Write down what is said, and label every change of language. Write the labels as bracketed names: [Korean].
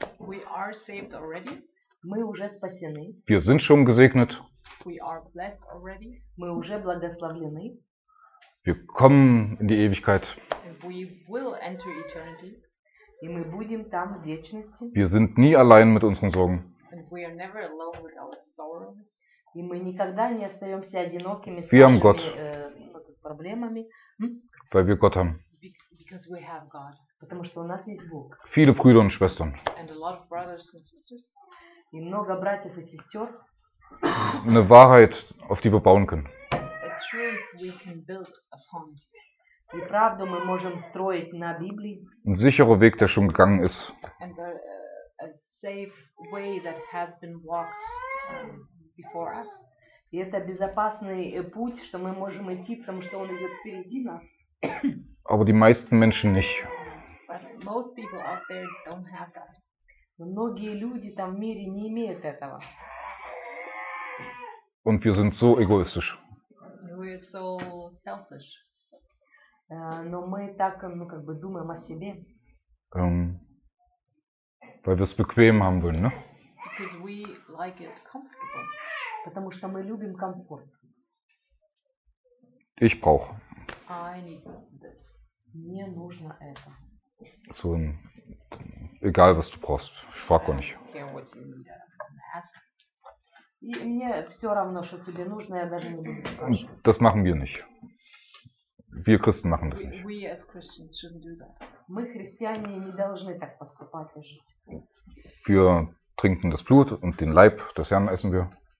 [English] We are saved already. [Russian] Мы уже спасены. [German] Wir sind schon gesegnet. [English] We are blessed already. [Russian] Мы уже благословлены. [German] Wir kommen in die Ewigkeit. [English] We will enter eternity. [Russian] И мы будем там в вечности. [German] Wir sind nie allein mit unseren Sorgen. [English] And we are never alone with our sorrows. [Russian] И мы никогда не остаемся одинокими с нашими проблемами. [German] Weil wir Gott haben. [English] Because we have God. [Russian] Потому что у нас есть Бог. [German] Viele Brüder und Schwestern. [English] And a lot of brothers and sisters. [Russian] И много братьев и сестер. [German] Eine Wahrheit, auf die wir bauen können. [English] A truth we can build upon. [Russian] И правду мы можем строить на Библии. [German] Ein sicherer Weg, der schon gegangen ist. [English] And a safe way that has been walked before us. [Russian] И это безопасный путь, что мы можем идти, потому что он идет впереди нас. [German] Aber die meisten Menschen nicht. [English] But most people out there don't have that. [Russian] Многие люди там в мире не имеют этого. [German] Und wir sind so egoistisch. [English] We're so selfish. [Russian] Но мы так, ну как бы думаем о себе. [German] Weil wir es bequem haben wollen, ne? [English] Because we like it comfortable. [Russian] Потому что мы любим комфорт. [German] Ich brauche. [English] I need this. [Russian] Мне нужно это. [German] So ein egal, was du brauchst. Ich frag gar nicht. [English] I don't care what you need. I'm asking. [Russian] И мне все равно, что тебе нужно, я даже не буду спрашивать. [German] Das machen wir nicht. Wir Christen machen das nicht. [English] We as Christians shouldn't do that. [Russian] Мы, христиане, не должны так поступать и жить. [German] Wir trinken das Blut und den Leib des Herrn essen wir.